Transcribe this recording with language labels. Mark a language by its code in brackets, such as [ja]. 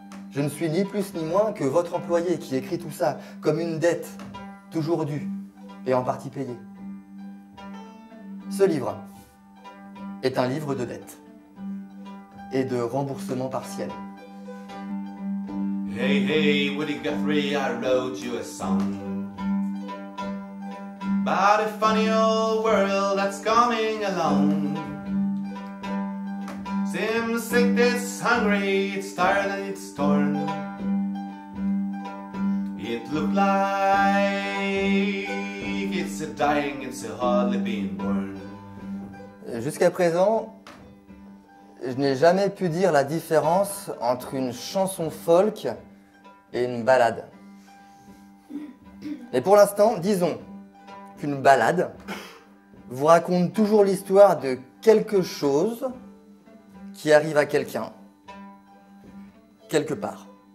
[fr] Je ne suis ni plus ni moins que votre employé qui écrit tout ça comme une dette, toujours due et en partie payée. Ce livre est un livre de dette et de remboursement partiel. [en] Hey, hey, Woody Guthrie, I wrote you a song about a funny old world that's coming along. Seems sick, it's hungry, it's tired and it's torn. It looked like it's a dying, it's a hardly being born. [fr] Jusqu'à présent, je n'ai jamais pu dire la différence entre une chanson folk et une balade. Mais pour l'instant, disons qu'une balade vous raconte toujours l'histoire de quelque chose qui arrive à quelqu'un, quelque part.